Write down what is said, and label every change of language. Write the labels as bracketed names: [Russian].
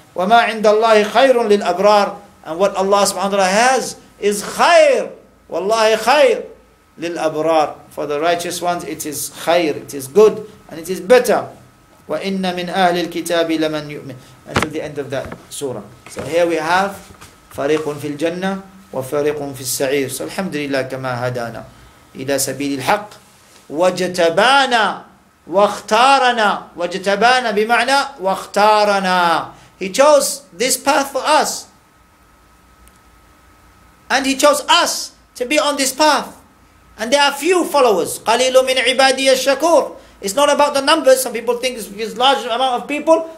[Arabic] وَمَا عِنْدَ اللَّهِ خَيْرٌ لِلْأَبْرَارِ. [English] And what Allah subhanahu wa ta'ala has is khair. [Arabic] وَاللَّهِ خَيْرٌ لِلْأَبْرَارِ. [English] For the righteous ones, it is khair, it is good, and it is better. [Arabic] وَإِنَّ مِنْ أَهْلِ الْكِتَابِ لَمَنْ يُؤْمِنُ. [English] Until the end of that surah. So here we have [Arabic] فَرِيقٌ فِي الْجَنَّةِ وَفَرِيقٌ فِي السَّعِيرِ. So alhamdulillah كَمَا هَدَانَا إِلَى سَبِيلِ الْحَقِّ وَجَتَبَانَا. وَاخْتَارَنَا وَجَتَبَانَا بِمَعْنَى وَاخْتَارَنَا. [English] He chose this path for us. And he chose us to be on this path. And there are few followers. [Arabic] قَلِيلٌ مِنْ عِبَادِيَ الشَّكُورِ. [English] It's not about the numbers. Some people think it's a large amount of people.